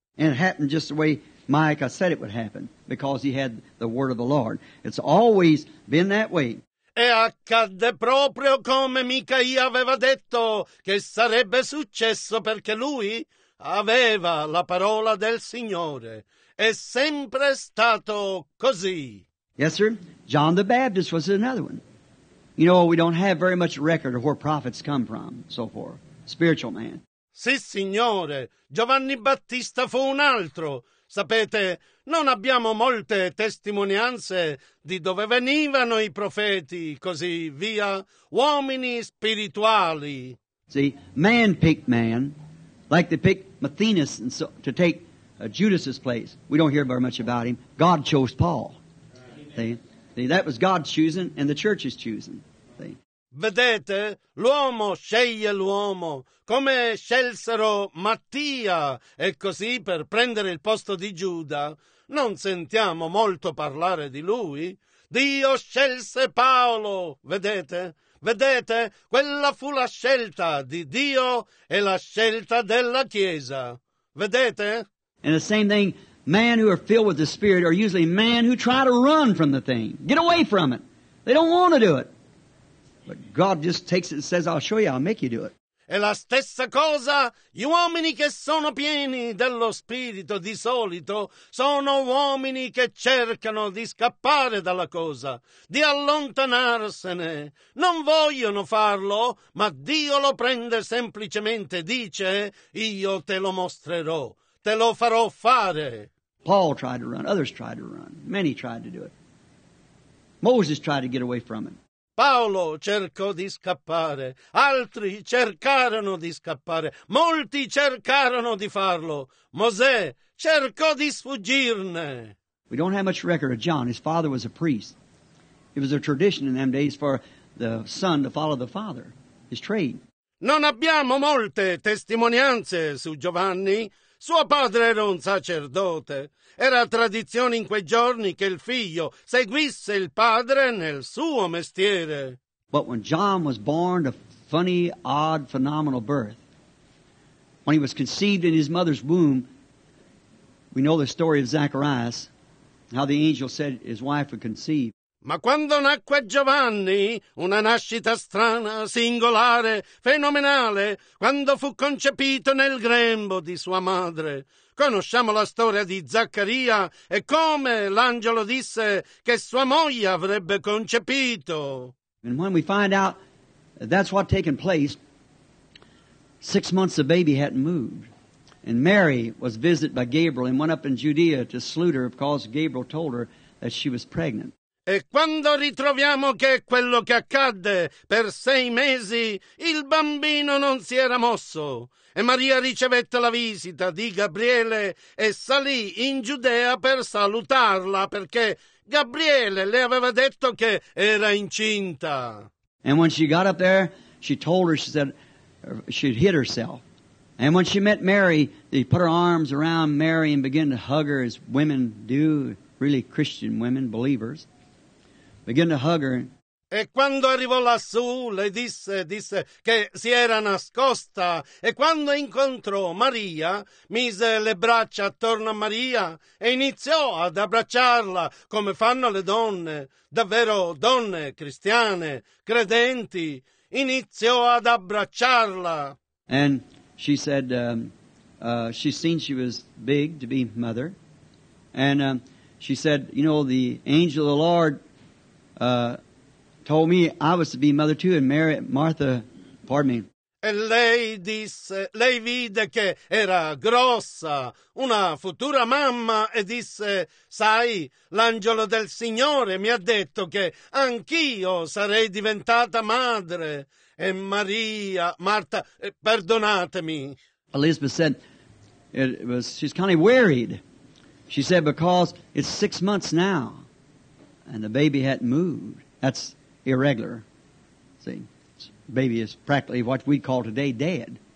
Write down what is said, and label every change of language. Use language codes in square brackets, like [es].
[en] And it happened just the way Micah said it would happen, because he had the word of the Lord. It's always been that way. [it] E accadde proprio come Micaia aveva detto che sarebbe successo, perché lui aveva la parola del Signore. È sempre stato così. [en] Yes, sir. John the Baptist was another one. You know, we don't have very much record of where prophets come from, so forth. Spiritual man. [it] Sì, Signore. Giovanni Battista fu un altro. Sapete, non abbiamo molte testimonianze di dove venivano i profeti, così via, uomini spirituali. [en] See, man picked man, like they picked Matthias and so, to take Judas's place. We don't hear very much about him. God chose Paul. See, that was God's choosing and the church's choosing. [it] Vedete, l'uomo sceglie l'uomo, come scelsero Mattia, e così per prendere il posto di Giuda. Non sentiamo molto parlare di lui. Dio scelse Paolo, vedete? Vedete, quella fu la scelta di Dio e la scelta della Chiesa. Vedete? [en] And the same thing, men who are filled with the Spirit are usually men who try to run from the thing. Get away from it. They don't want to do it. But God just takes it and says, I'll show you, I'll make you do it. [it] E la stessa cosa, gli uomini che sono pieni dello Spirito di solito sono uomini che cercano di scappare dalla cosa, di allontanarsene. Non vogliono farlo, ma Dio lo prende semplicemente, dice, io te lo mostrerò, te lo farò fare. [en] Paul tried to run, others tried to run, many tried to do it. Moses tried to get away from it. [it] Paolo cercò di scappare, altri cercarono di scappare, molti cercarono di farlo. Mosè cercò di sfuggirne. [en] We don't have much record of John. His father was a priest. It was a tradition in them days for the son to follow the father, his trade. [it] Non abbiamo molte testimonianze su Giovanni. Suo padre era un sacerdote. Era tradizione in quei giorni che il figlio seguisse il padre nel suo mestiere. [en] But when John was born, a funny, odd, phenomenal birth, when he was conceived in his mother's womb, we know the story of Zacharias, how the angel said his wife would conceive. [it] Ma quando nacque Giovanni, una nascita strana, singolare, fenomenale, quando fu concepito nel grembo di sua madre. Conosciamo la storia di Zaccaria e come l'angelo disse che sua moglie avrebbe concepito. [en] And when we find out that's what taken place, 6 months the baby hadn't moved. And Mary was visited by Gabriel and went up in Judea to salute her because Gabriel told her that she was pregnant. [it] E quando ritroviamo che è quello che accadde, per 6 mesi il bambino non si era mosso. E Maria ricevette la visita di Gabriele e salì in Giudea per salutarla, perché Gabriele le aveva detto che era incinta. [en] And when she got up there, she told her, she said, she'd hit herself. And when she met Mary, she put her arms around Mary and began to hug her as women do, really Christian women, believers. Began to hug her. [it] E quando arrivò lassù, le disse che si era nascosta. E quando incontrò Maria, mise le braccia attorno a Maria e iniziò ad abbracciarla come fanno le donne, davvero donne cristiane, credenti. Iniziò ad abbracciarla. [en] And she said, she seen she was big to be mother. And she said, you know, the angel of the Lord told me I was to be mother too, and Mary, Martha, pardon me. [it] E lei disse, lei vide che era grossa, una futura mamma, e disse, sai, l'angelo del Signore mi ha detto che anch'io sarei diventata madre. E Maria, Martha, perdonatemi. [en] Elizabeth said, she's kind of worried. She said, because it's 6 months now. And the baby hadn't moved. That's irregular. See, baby is practically what we call today dead.